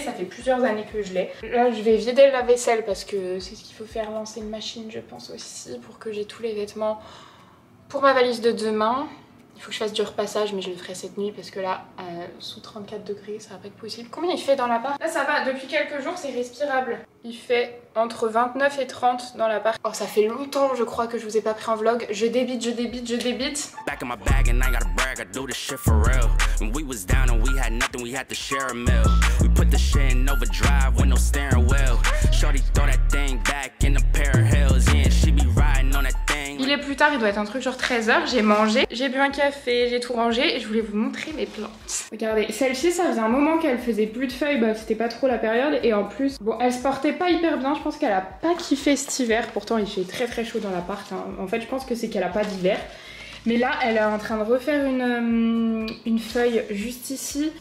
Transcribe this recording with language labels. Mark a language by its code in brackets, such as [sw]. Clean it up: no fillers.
[fr] Ça fait plusieurs années que je l'ai. Là, je vais vider le lave-vaisselle parce que c'est ce qu'il faut faire, lancer une machine, je pense aussi, pour que j'ai tous les vêtements pour ma valise de demain. Il faut que je fasse du repassage, mais je le ferai cette nuit parce que là, sous 34 degrés, ça va pas être possible. Combien il fait dans l'appart ? Là, ça va. Depuis quelques jours, c'est respirable. Il fait entre 29 et 30 dans l'appart. Oh, ça fait longtemps, je crois, que je vous ai pas pris en vlog. Je débite. [en] Back in my bag and I gotta brag, I do this shit for real. When we was down and we had nothing, we had to share a meal. We put the shit in overdrive with no steering wheel. Shorty throw that thing back in a pair of heels. Yeah, she be riding on that. [fr] Il est plus tard, il doit être un truc genre 13h, j'ai mangé, j'ai bu un café, j'ai tout rangé et je voulais vous montrer mes plantes. Regardez, celle-ci, ça faisait un moment qu'elle faisait plus de feuilles, bah c'était pas trop la période et en plus, bon, elle se portait pas hyper bien, je pense qu'elle a pas kiffé cet hiver, pourtant il fait très très chaud dans l'appart, hein. En fait je pense que c'est qu'elle a pas d'hiver. Mais là, elle est en train de refaire une feuille juste ici.